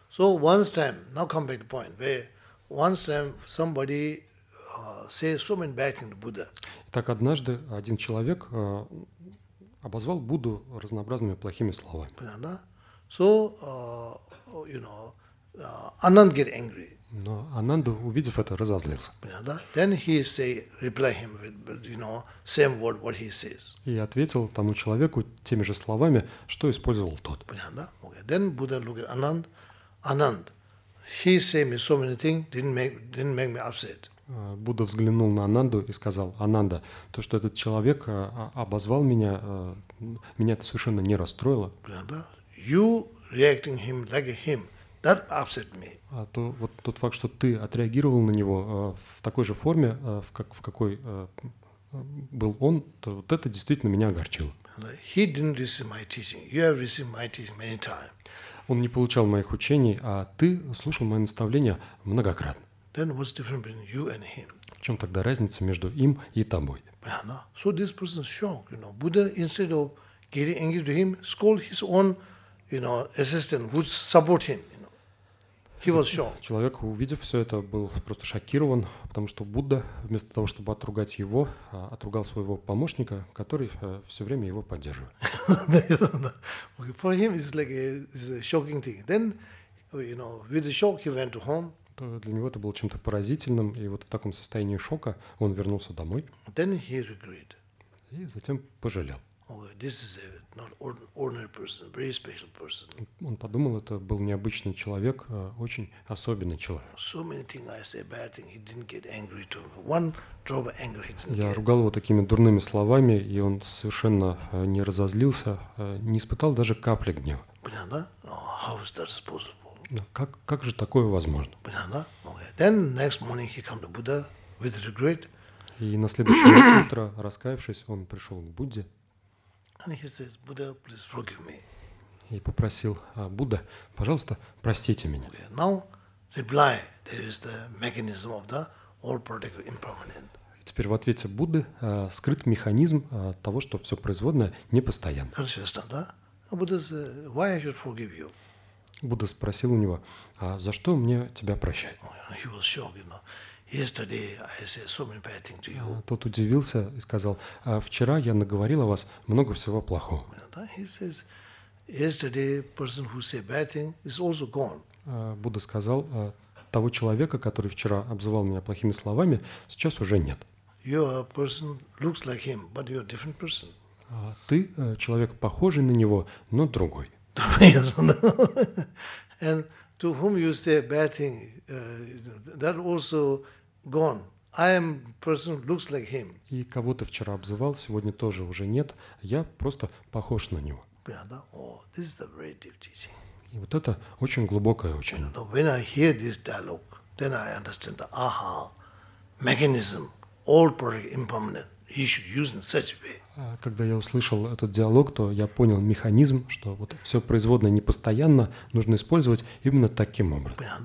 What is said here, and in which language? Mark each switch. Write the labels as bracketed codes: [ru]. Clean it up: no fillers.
[en] So one time, now come back to point, where one time somebody say so many bad things to Buddha. [ru] Так однажды один человек обозвал Будду разнообразными плохими словами. Понятно? [en] So, you know, Ананд get angry. [ru] Но Ананду, увидев это, разозлился. Понятно? [en] Then he say reply him with, you know, same word what he says. [ru] И ответил тому человеку теми же словами, что использовал тот. Понятно? [en] Okay. Then Buddha look at Ананд. Ананд, he say me so many things, didn't make me upset. [ru] Будда взглянул на Ананду и сказал: «Ананда, то, что этот человек обозвал меня, меня это совершенно не расстроило». [en] You reacting him like him, that upset me. [ru] А то вот тот факт, что ты отреагировал на него в такой же форме, в какой был он, то вот это действительно меня огорчило. [en] He didn't receive my teaching. You have received my teaching many times. [ru] Он не получал моих учений, а ты слушал мои наставления многократно. [en] Then what's different between you and him? [ru] В чем тогда разница между им и тобой? [en] So this person is shocked, you know. Buddha, instead of getting angry to him, scold his own, you know, assistant who support him. You know, he was shocked. [ru] Человек, увидев все это, был просто шокирован, потому что Будда, вместо того чтобы отругать его, отругал своего помощника, который все время его поддерживает. [en] For him, it's like a shocking thing. Then, you know, with the shock, he went to home. [ru] то для него это было чем-то поразительным, и вот в таком состоянии шока он вернулся домой. [en] Then he regretted. [ru] И затем пожалел. [en] Oh, this is a not ordinary person, very special person. [ru] Он подумал, это был необычный человек, очень особенный человек. [en] So many things I say bad thing, he didn't get angry to me. One drop of anger he didn't [ru] get. Я ругал его такими дурными словами, и он совершенно не разозлился, не испытал даже капли гнева. Понятно? [en] Oh, how is that possible? [ru] Как же такое возможно? Понятно? Okay. [en] Then next morning he came to Buddha with regret. [ru] И на следующее утро, раскаявшись, он пришел к Будде. [en] And he says, Buddha, please forgive me. [ru] И попросил Будда, пожалуйста, простите меня. [en] Okay. Now reply, there is the mechanism of the all particle impermanent. [ru] И теперь в ответе Будды скрыт механизм того, что все производное непостоянно. Конечно, да? [en] Buddha says, why I should forgive you? [ru] Будда спросил у него, а за что мне тебя прощать? [en] He was shocked, you know. Yesterday I said so many bad things to you. [ru] Тот удивился и сказал: «Вчера я наговорил о вас много всего плохого». [en] He says, yesterday person who said bad thing is also gone. [ru] Будда сказал: «Того человека, который вчера обзывал меня плохими словами, сейчас уже нет». [en] You are a person looks like him, but you are a different person. [ru] Ты человек похожий на него, но другой. [en] Yes. And to whom you say bad thing, that also gone. I am person looks like him. [ru] И кого ты вчера обзывал, сегодня тоже уже нет. Я просто похож на него. [en] Yeah, oh, this is a very deep teaching. [ru] И вот это очень глубокое учение. [en] And when I hear this dialogue, then I understand the aha mechanism, all product impermanent. He should use in such a way. [ru] Когда я услышал этот диалог, то я понял механизм, что вот все производное непостоянно, нужно использовать именно таким образом.